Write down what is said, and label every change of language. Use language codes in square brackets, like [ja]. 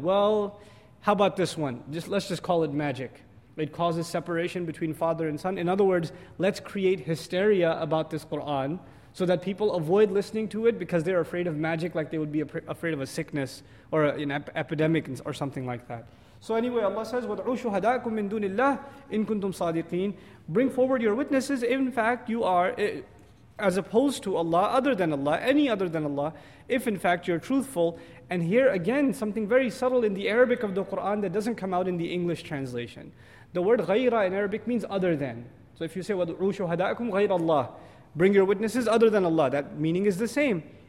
[en] Well, how about this one? Let's just call it magic. It causes separation between father and son. In other words, let's create hysteria about this Quran so that people avoid listening to it because they're afraid of magic, like they would be afraid of a sickness or an epidemic or something like that. So anyway, Allah says, [ar] وَدْعُوا شُهَدَاءَكُمْ مِنْ دُونِ اللَّهِ إِن كُنْتُمْ صَادِقِينَ. [en] Bring forward your witnesses. In fact, you are, as opposed to Allah, other than Allah, any other than Allah, if in fact you're truthful. And here again, something very subtle in the Arabic of the Quran that doesn't come out in the English translation. The word غَيْرَ in Arabic means other than. So if you say, [ar] وَدْعُوا شُهَدَاءَكُمْ غَيْرَ اللَّهِ, [en] bring your witnesses other than Allah, that meaning is the same.